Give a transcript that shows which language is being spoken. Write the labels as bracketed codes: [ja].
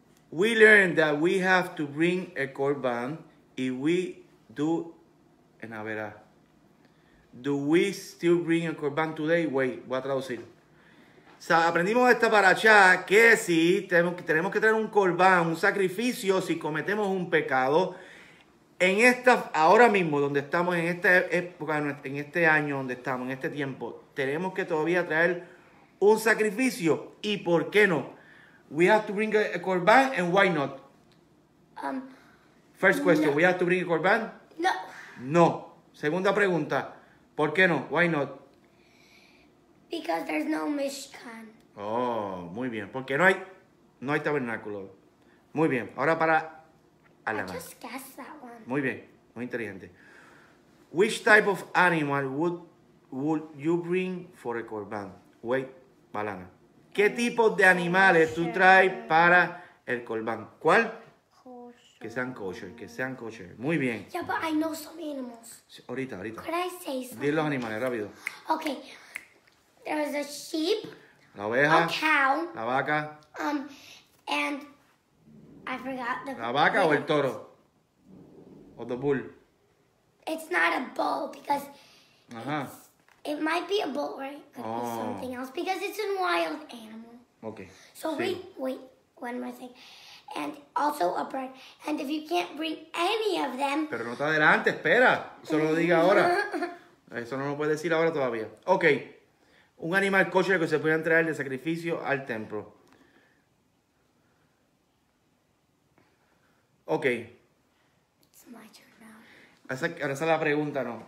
[en] We learned that we have to bring a korban if we do. En Avera. Do we still bring a korban today? [es] Wait, voy a traducir. O sea, aprendimos esta parasha que si tenemos que traer un korban, un sacrificio, si cometemos un pecado, en esta, ahora mismo, donde estamos en esta época, en este año donde estamos, en este tiempo, tenemos que todavía traer un sacrificio y por qué no. [en] We have to bring a korban and why not? First question, no. We have to bring a korban? No. No. [es] Segunda pregunta, ¿por qué no? [en] Why not? Because there's no Mishkan. [es] Oh, muy bien. Porque no hay tabernáculo. Muy bien. Ahora para Alana. [en] I just guessed that one. [es] Muy bien. Muy inteligente. [en] Which type of animal would you bring for a korban? Wait, Alana. [es] ¿Qué tipo de animales tú traes para el korban? ¿Cuál? [en] Kosher. [es] Que sean kosher. Muy bien. [en] Yeah, but I know some animals. [es] Ahorita. [en] Could I say something? [es] Dile los animales, rápido. [en] Okay. There's a sheep. [es] La oveja. [en] A cow. [es] La vaca. [en] And I forgot the... [es] La vaca o el toro? O [en] the bull? It's not a bull because... It might be a bull, right? Something else because it's a wild animal. Okay. So sí. Wait, one more thing. And also a bird. And if you can't bring any of them... [es] Pero no está adelante, espera. Eso lo diga ahora. Eso no lo puede decir ahora todavía. Okay. Un animal kosher que se pueda traer de sacrificio al templo. [en] Okay. It's my turn now. [es] Ahora está la pregunta, no.